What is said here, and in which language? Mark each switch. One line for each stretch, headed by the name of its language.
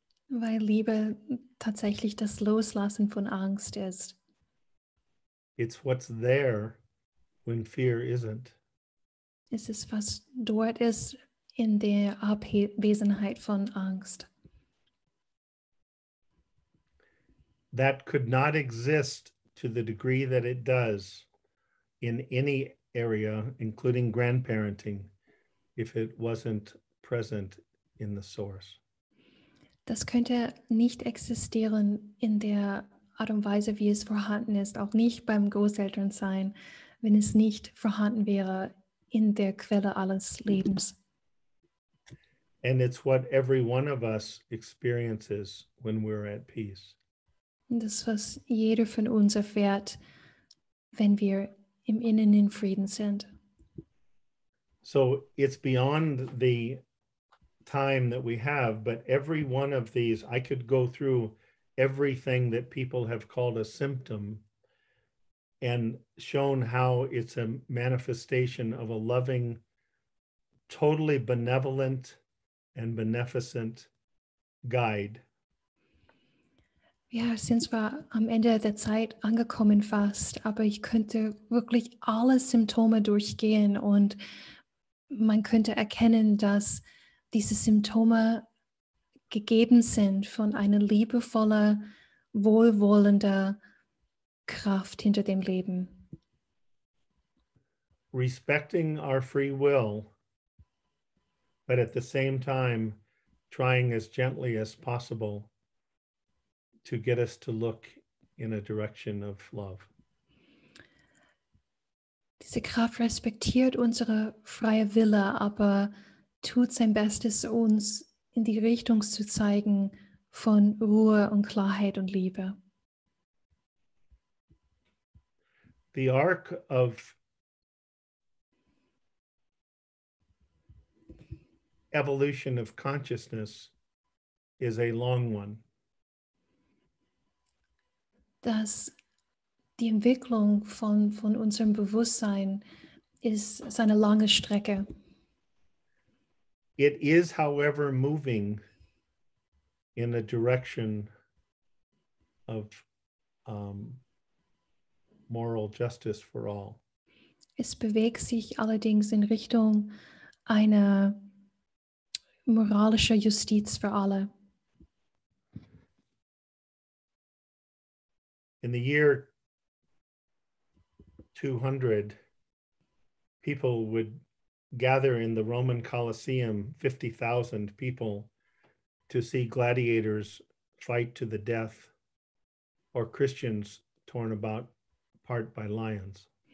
German: Weil Liebe tatsächlich das Loslassen von Angst ist.
English: It's what's there when fear isn't.
German: Es ist, was dort ist in der Abwesenheit von Angst.
English: That could not exist to the degree that it does in any area, including grandparenting, if it wasn't present in the source.
German: Das könnte nicht existieren in der Art und Weise, wie es vorhanden ist, auch nicht beim Großelternsein, wenn es nicht vorhanden wäre in der Quelle alles Lebens.
English: And it's what every one of us experiences when we're at peace.
German: Das, was jeder von uns erfährt, wenn wir im Innen in Frieden sind.
English: So it's beyond the time that we have, but every one of these, I could go through everything that people have called a symptom and shown how it's a manifestation of a loving, totally benevolent and beneficent guide.
German: Ja, sind zwar am Ende der Zeit angekommen fast, aber ich könnte wirklich alle Symptome durchgehen und man könnte erkennen, dass diese Symptome gegeben sind von einer liebevollen, wohlwollenden Kraft hinter dem Leben.
English: Respecting our free will, but at the same time trying as gently as possible to get us to look in a direction of love.
German: Diese Kraft respektiert unsere freie Wille, aber tut sein Bestes, uns in die Richtung zu zeigen von Ruhe und Klarheit und Liebe.
English: The arc of evolution of consciousness is a long one.
German: Dass die Entwicklung von unserem Bewusstsein ist eine lange Strecke.
English: It is, however, moving in a direction of moral justice for all.
German: Es bewegt sich allerdings in Richtung einer moralischen Justiz für alle.
English: In the year 200, people would gather in the Roman Colosseum, 50,000 people, to see gladiators fight to the death or Christians torn apart by lions.